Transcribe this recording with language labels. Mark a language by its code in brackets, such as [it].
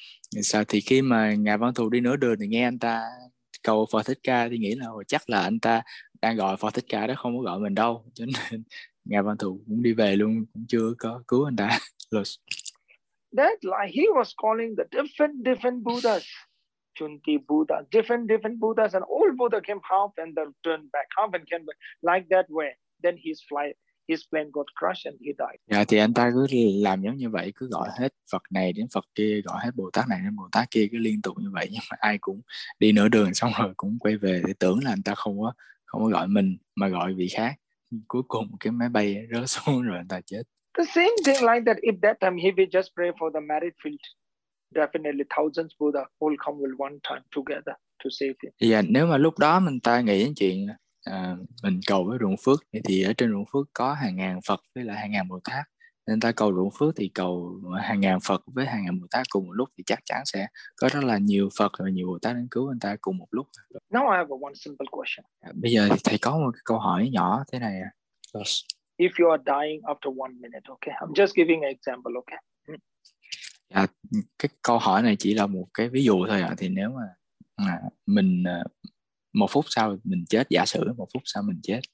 [vi] Sau thì khi mà ngài Văn Thù đi nửa đường thì nghe anh ta cầu Phật Thích Ca, thì nghĩ là chắc là anh ta đang gọi Phật Thích Ca đó, không có gọi mình đâu, cho nên ngài Văn Thù cũng đi về luôn, cũng chưa có cứu anh ta. [en] That like he was calling the different Buddhas. Chunti Buddha, different Buddhas, and old Buddha came half and then turned back, half and came back, like that way. Then his flight, his plane got crushed and he died. [vi] Dạ, thì anh ta cứ làm giống như vậy, cứ gọi hết Phật này đến Phật kia, gọi hết Bồ Tát này đến Bồ Tát kia, cứ liên tục như vậy, nhưng mà ai cũng đi nửa đường xong rồi cũng quay về, thì tưởng là anh ta không có gọi mình mà gọi vị khác. Cuối cùng cái máy bay rớt xuống rồi anh ta chết. [en] The same thing like that, if that time he will just pray for the merit field, definitely thousands Buddha will come with one time together to save him. [vi] Yeah, nếu mà lúc đó mình ta nghĩ đến chuyện mình cầu với ruộng phước thì ở trên ruộng phước có hàng ngàn Phật với lại hàng ngàn Bồ Tát, nên ta cầu ruộng phước thì cầu hàng ngàn Phật với hàng ngàn Bồ Tát cùng một lúc thì chắc chắn sẽ có rất là nhiều Phật và nhiều Bồ Tát đến cứu anh ta cùng một lúc. [en] Now I have one simple question. [vi] Bây giờ thầy có một câu hỏi nhỏ thế này. [en] Yes. If you are dying after 1 minute, okay, I'm just giving an example, okay. [vi] À, cái câu hỏi này chỉ là một cái ví dụ thôi ạ. Thì nếu mà mình một phút sau mình chết, giả sử một phút sau mình chết,